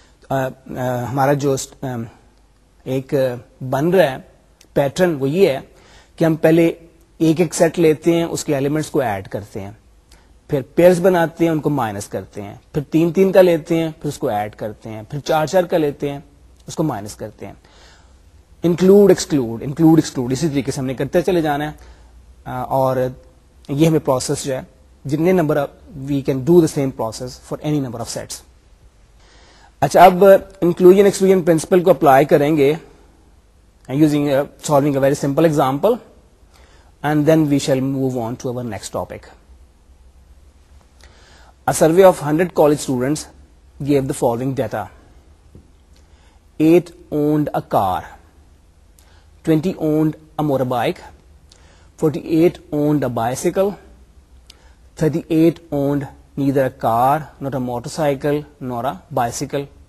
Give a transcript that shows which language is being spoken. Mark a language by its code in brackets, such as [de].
[ur] ہمارا جو ایک بن رہا ہے پیٹرن وہ یہ ہے کہ ہم پہلے ایک ایک سیٹ لیتے ہیں, اس کے ایلیمنٹس کو ایڈ کرتے ہیں, پھر پیئرس بناتے ہیں ان کو مائنس کرتے ہیں, پھر تین تین کا لیتے ہیں پھر اس کو ایڈ کرتے ہیں, پھر چار چار کا لیتے ہیں اس کو مائنس کرتے ہیں. انکلوڈ ایکسکلوڈ انکلوڈ ایکسکلوڈ, اسی طریقے سے ہم نے کرتے چلے جانا ہے, اور یہ ہمیں پروسیس جو ہے جتنے number [en] We can do the same process for any number of sets. [ur] اچھا اب انکلوژن ایکسکلوژن پرنسپل کو اپلائی کریں گے [en] using solving a very simple example, and then we shall move on to our next topic. A survey of 100 college students gave the following data. 8 owned a car, 20 owned a motorbike, 48 owned a bicycle, 38 owned neither a car, nor a motorcycle, nor a bicycle.